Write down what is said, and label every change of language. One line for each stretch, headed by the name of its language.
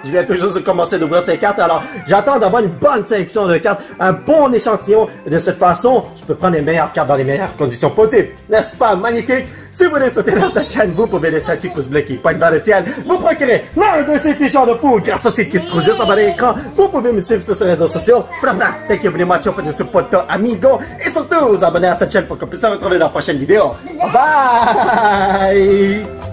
French: Je viens toujours de commencer d'ouvrir ces cartes. Alors j'attends d'avoir une bonne sélection de cartes, un bon échantillon. De cette façon, je peux prendre les meilleures cartes dans les meilleures conditions possibles. N'est-ce pas magnifique? Si vous voulez sauter dans cette chaîne, vous pouvez laisser un petit pouce bleu qui pointe vers le ciel. Vous procurez l'un de ces t-shirts de fou grâce au site qui se trouve juste en bas de l'écran. Vous pouvez me suivre sur les réseaux sociaux.
English: Blablabla, thank you very much for the support, amigo.
French: Et surtout, vous abonnez à cette chaîne pour qu'on puisse se retrouver dans la prochaine vidéo. Bye!